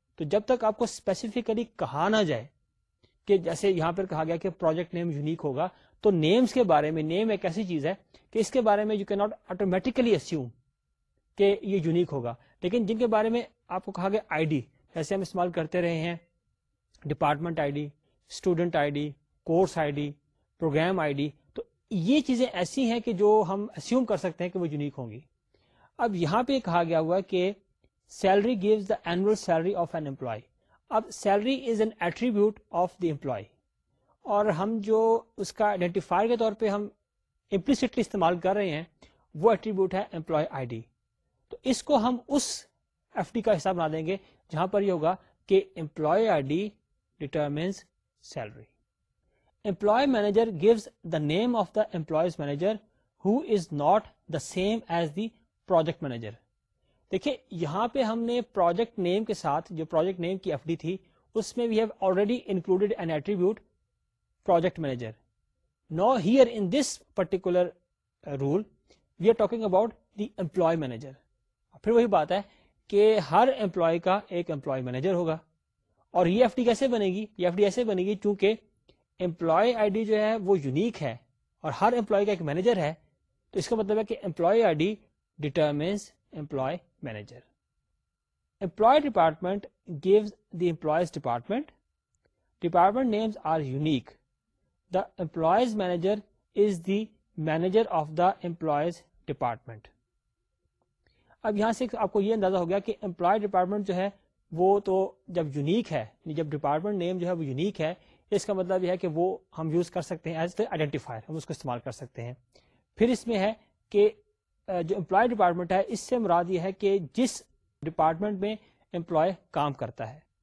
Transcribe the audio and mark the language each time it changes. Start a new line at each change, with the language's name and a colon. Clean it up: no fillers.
Urdu: تو جب تک آپ کو اسپیسیفکلی کہا نہ جائے کہ جیسے یہاں پر کہا گیا کہ پروجیکٹ نیم یونیک ہوگا, تو نیمز کے بارے میں, نیم ایک ایسی چیز ہے کہ اس کے بارے میں
English: you can not automatically assume
Urdu: کہ یہ یونیک ہوگا. لیکن جن کے بارے میں آپ کو کہا گیا آئی ڈی, جیسے ہم استعمال کرتے رہے ہیں department I D, student I D, course I D, programme I D, تو یہ چیزیں ایسی ہیں کہ جو ہم اسیوم کر سکتے ہیں کہ وہ یونیک ہوں گی. اب یہاں پہ کہا گیا ہوا کہ
English: Salary gives the annual salary of an employee. اب salary is an attribute of the employee,
Urdu: اور ہم جو اس کا آئیڈینٹیفائر کے طور پہ ہم امپلیسٹلی استعمال کر رہے ہیں وہ ایٹریبیوٹ ہے امپلائی آئی ڈی. تو اس کو ہم اس ایف ڈی کا حساب بنا دیں گے جہاں پر یہ ہوگا کہ employee I D determines salary.
English: Employee manager gives the name of the employee's manager who is not the same as the project manager.
Urdu: دیکھیے یہاں پہ ہم نے پروجیکٹ نیم کے ساتھ جو پروجیکٹ نیم کی ایف ڈی تھی اس میں
English: We have already included an attribute project manager. Now here in this particular role we are talking about the employee manager.
Urdu: پھر وہی بات ہے کہ ہر امپلائی کا ایک امپلائی مینیجر ہوگا. اور یہ ایف ڈی کیسے بنے گی؟ یہ ایف ڈی ایسے بنے گی چونکہ امپلائی آئی ڈی جو ہے وہ یونیک ہے اور ہر امپلائی کا ایک مینیجر ہے, تو اس کا مطلب ہے کہ employee I D determines employee manager.
English: Employee department gives the employee's department. Department names are unique. The employee's manager is the manager of the employee's department.
Urdu: اب یہاں سے آپ کو یہ اندازہ ہو گیا کہ امپلائی ڈپارٹمنٹ جو ہے وہ تو جب یونیک ہے, جب ڈپارٹمنٹ نیم جو ہے وہ یونیک ہے, اس کا مطلب یہ ہے کہ وہ ہم یوز کر سکتے ہیں
English: as the identifier,
Urdu: ہم اس کو استعمال کر سکتے ہیں. پھر اس میں ہے کہ جو امپلائی ڈپارٹمنٹ ہے اس سے مراد یہ ہے کہ جس ڈپارٹمنٹ میں امپلائی کام کرتا ہے.